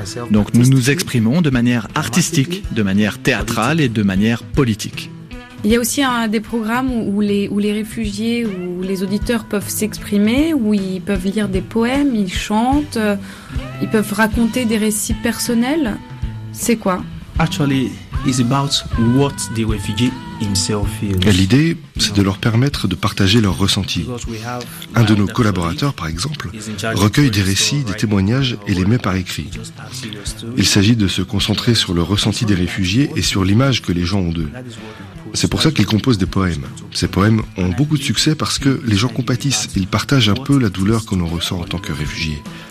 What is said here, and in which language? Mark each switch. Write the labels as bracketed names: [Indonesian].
[French] Donc nous nous exprimons de manière artistique, de manière théâtrale et de manière politique. Il y a aussi des programmes où les réfugiés ou les auditeurs peuvent s'exprimer, où ils peuvent lire des poèmes, ils chantent, ils peuvent raconter des récits personnels. C'est quoi ? [English] Actually, it's about what the refugee himself feels. [French] L'idée, c'est de leur permettre de partager leurs ressentis. Un de nos collaborateurs, par exemple, recueille des récits, des témoignages et les met par écrit. Il s'agit de se concentrer sur le ressenti des réfugiés et sur l'image que les gens ont d'eux. C'est pour ça qu'il compose des poèmes. Ces poèmes ont beaucoup de succès parce que les gens compatissent, ils partagent un peu la douleur que l'on ressent en tant que réfugiés.